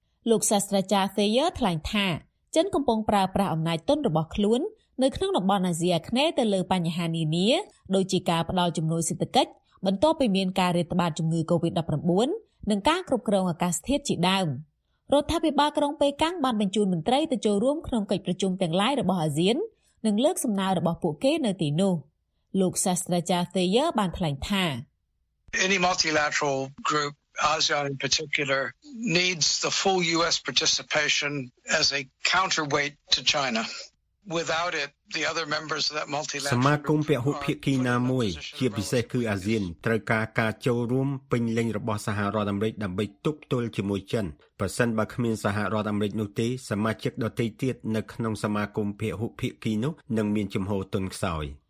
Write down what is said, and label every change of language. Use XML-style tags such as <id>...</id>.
<km>លោកសាស្ត្រាចារ្យ Sayer ថ្លែងថាចិនកំពុងប្រើប្រាស់អំណាចទុនរបស់ខ្លួននៅក្នុងតំបន់អាស៊ីអាគ្នេយ៍ទៅលើបញ្ហានានាដូចជាការផ្ដល់ជំនួយសេដ្ឋកិច្ចបន្ទាប់ពីមានការរាតត្បាតជំងឺ COVID-19 និងការគ្រប់គ្រងអាកាសធាតុជាដើមរដ្ឋាភិបាលក្រុងប៉េកាំងបានបញ្ជូនមន្ត្រីទៅចូលរួមក្នុងកិច្ចប្រជុំទាំងឡាយរបស់អាស៊ាននិងលើកសំណើរបស់ពួកគេនៅទីនោះលោកសាស្ត្រាចារ្យ Thayer បានថ្លែងថា</km> <en>Any multilateral group ASEAN in particular needs the full US participation as a counterweight to China. Without it, the other members of that multilateral</en> <km>សមាគមពហុភាគីណាមួយជាពិសេសគឺអាស៊ានត្រូវការការចូលរួមពេញលេញរបស់សហរដ្ឋអាមេរិកដើម្បីទប់ទល់ជាមួយចិនប្រសិនបើគ្មានសហរដ្ឋអាមេរិកនោះទេសមាជិកដទៃទៀតនៅក្នុងសមាគមពហុភាគីនោះនឹងមានចំហទុនខ្សោយ</km>